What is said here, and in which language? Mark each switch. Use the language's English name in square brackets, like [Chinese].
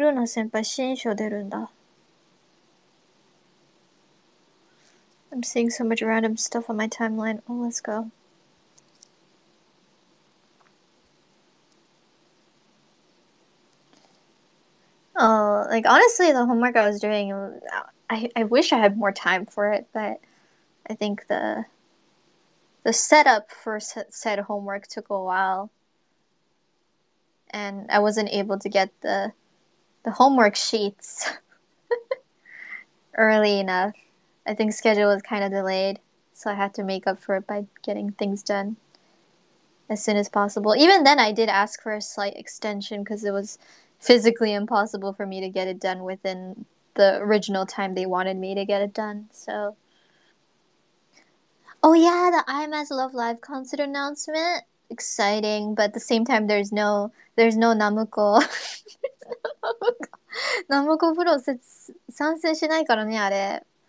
[Japanese] Luna-senpai, 新書出るんだ。 [English] I'm seeing so much random stuff on my timeline. Oh, let's go. Oh, like, honestly, the homework I was doing, I wish I had more time for it, but I think the setup for said homework took a while. And I wasn't able to get the homework sheets early enough. I think schedule was kind of delayed, so I had to make up for it by getting things done as soon as possible. Even then, I did ask for a slight extension because it was physically impossible for me to get it done within the original time they wanted me to get it done. So, oh yeah, the IMS Love Live concert announcement. Exciting, but at the same time, there's no Namco. [Japanese] Namco Pro 参戦しないからね、あれ。